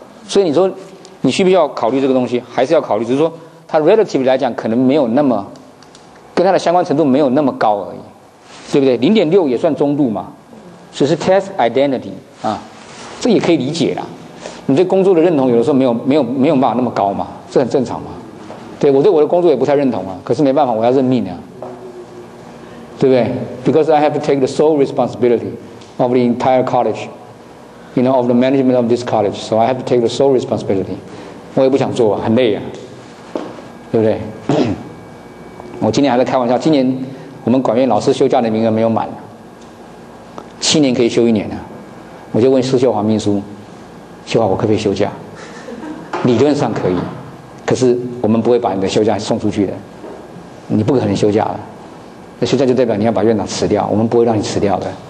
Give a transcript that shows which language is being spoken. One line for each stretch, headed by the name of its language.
Chinese: 所以你说你需不需要考虑这个东西，还是要考虑，只是说它 relative 来讲可能没有那么跟它的相关程度没有那么高而已，对不对？ 0.6也算中度嘛，所以是 test identity 啊，这也可以理解啦，你对工作的认同有的时候没有办法那么高嘛，这很正常嘛。对，我对我的工作也不太认同啊，可是没办法，我要认命啊，对不对？
English: Because I have to take the sole responsibility of the entire college, you know, of the management of this college, so I have to take the sole responsibility.
Chinese: 我也不想做啊，很累啊，对不对？我今年还在开玩笑，今年我们管院老师休假的名额没有满，7年可以休一年啊，我就问施秀华秘书，秀华，我可不可以休假？理论上可以，可是我们不会把你的休假送出去的，你不可能休假了。那休假就代表你要把院长辞掉，我们不会让你辞掉的。